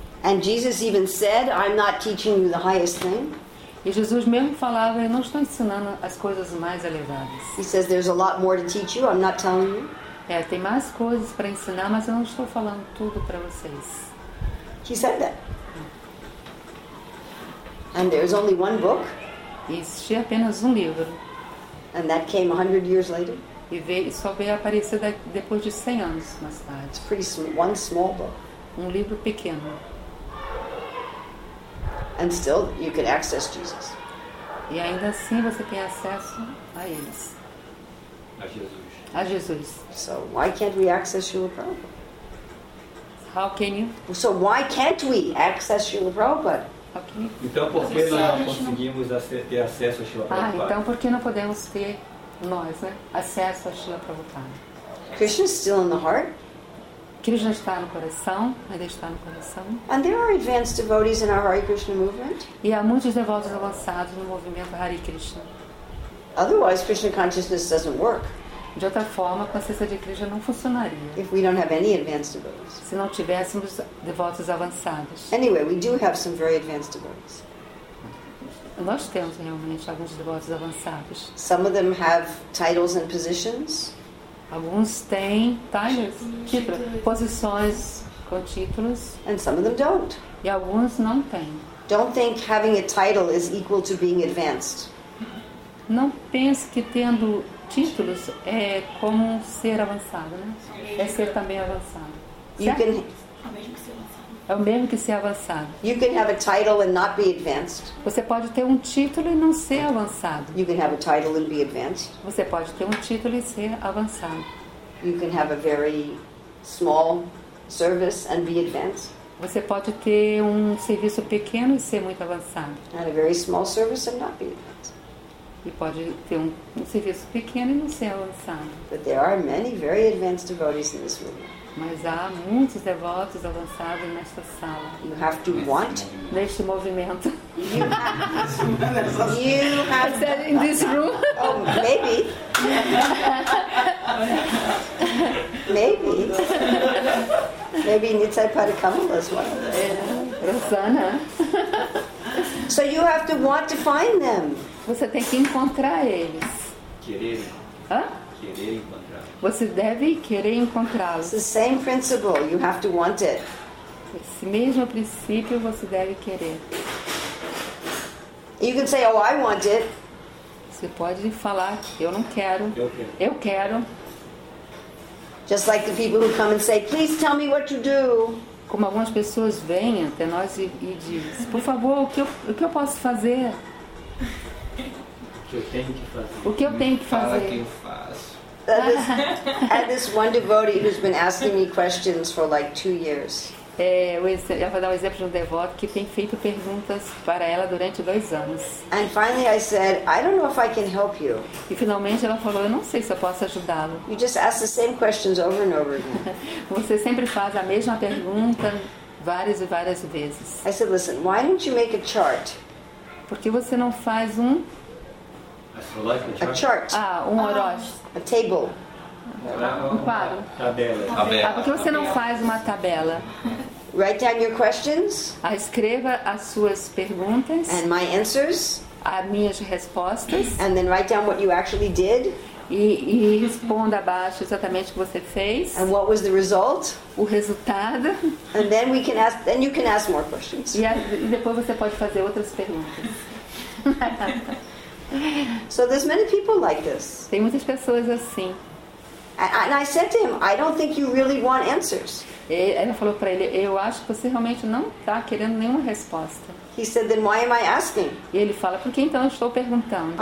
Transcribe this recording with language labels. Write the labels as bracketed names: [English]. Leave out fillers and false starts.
[English] And Jesus even said, "I'm not teaching you the highest thing." [Portuguese] E Jesus mesmo falava, eu não estou ensinando as coisas mais elevadas. [English] He says, "There's a lot more to teach you. I'm not telling you." [Portuguese] Tem mais coisas para ensinar, mas eu não estou falando tudo para vocês. [English] He said that. And there's only one book. [Portuguese] E existia apenas livro. [English] And that came 100 years later. [Portuguese] E veio aparecer depois de 100 anos mais tarde. [English] It's pretty small, one small book. [Portuguese] Livro pequeno. [English] And still, you can access Jesus. [Portuguese] E ainda assim, você tem acesso a eles. A Jesus. [English] So why can't we access Srila Prabhupada? How can you? So why can't we access Srila Prabhupada? How can you? [Portuguese] Então, por que nós não conseguimos ter acesso a Srila Prabhupada? Ah, então por que não podemos ter nós, né, acesso a Srila Prabhupada? [English] Krishna is still in the heart. [Portuguese] Krishna está no coração, ainda está no coração. [English] And there are advanced devotees in our Hare Krishna movement. [Portuguese] E há muitos devotos avançados no movimento Hare Krishna. [English] Otherwise, Krishna consciousness doesn't work. [Portuguese] De outra forma, a consciência de Krishna não funcionaria. [English] If we don't have any advanced devotees. [Portuguese] Se não tivéssemos devotos avançados. [English] Anyway, we do have some very advanced devotees. [Portuguese] Nós temos realmente alguns devotos avançados. [English] Some of them have titles and positions. [Portuguese] Alguns têm títulos, posições com títulos. [English] And some of them don't. [Portuguese] E alguns não têm. [English] Don't think having a title is equal to being advanced. [Portuguese] Não pense que tendo títulos é como ser avançado, né? É ser também avançado. É o mesmo que ser avançado. [English] You can have a title and not be advanced. [Portuguese] Você pode ter título e não ser avançado. [English] You can have a title and be advanced. [Portuguese] Você pode ter título e ser avançado. [English] You can have a very small service and be advanced. [Portuguese] Você pode ter serviço pequeno e ser muito avançado. [English] And a very small service and not be advanced. [Portuguese] E pode ter serviço pequeno e não ser avançado. [English] But there are many very advanced devotees in this movement. [Portuguese] Mas há muitos devotos avançados nesta sala. [English] You have to want [Portuguese] neste movimento. [English] You have to in this room. Oh, maybe. Maybe. Maybe Nitsai Padakamala is one of those. Rosana. So you have to want to find them. [Portuguese] Você tem que encontrar eles. Querer. Hã? Querer encontrar. Você deve querer encontrá-los. [English] It's the same principle. You have to want it. [Portuguese] Esse mesmo princípio, você deve querer. [English] You can say, oh, I want it. [Portuguese] Você pode falar, eu não quero. Eu quero. [English] Just like the people who come and say, please tell me what to do. [Portuguese] Como algumas pessoas vêm até nós e dizem, por favor, o que eu posso fazer? O que eu tenho que fazer? O que eu tenho que fazer? Fala que eu faço. [English] I had this one devotee who's been asking me questions for like 2 years. [Portuguese] Ela vai dar um exemplo de um devoto que tem feito perguntas para ela durante 2 anos. [English] And finally I said, I don't know if I can help you. [Portuguese] E finalmente ela falou, eu não sei se eu posso ajudá-lo. [English] You just ask the same questions over and over again. [Portuguese] Você sempre faz a mesma pergunta várias e várias vezes. [English] I said, listen, why don't you make a chart? [Portuguese] Por que você não faz um [English] a chart. [Portuguese] Ah, um horóscopo. [English] A table. [Portuguese] Um quadro. Tabela. Ah, por que você não faz uma tabela? [English] Write down your questions. [Portuguese] Ah, escreva as suas perguntas. [English] And my answers. [Portuguese] As minhas respostas. [English] And then write down what you actually did. [Portuguese] E responda abaixo exatamente o que você fez. [English] And what was the result? [Portuguese] O resultado. [English] And then we can ask. Then you can ask more questions. [Portuguese] E depois você pode fazer outras perguntas. [English] So there's many people like this. [Portuguese] Tem muitas pessoas assim. [English] And I said to him, I don't think you really want answers. [Portuguese] Ela falou para ele, eu acho que você realmente não está querendo nenhuma resposta. [English] He said, then why am I asking? [Portuguese] E ele fala, por que então eu estou perguntando?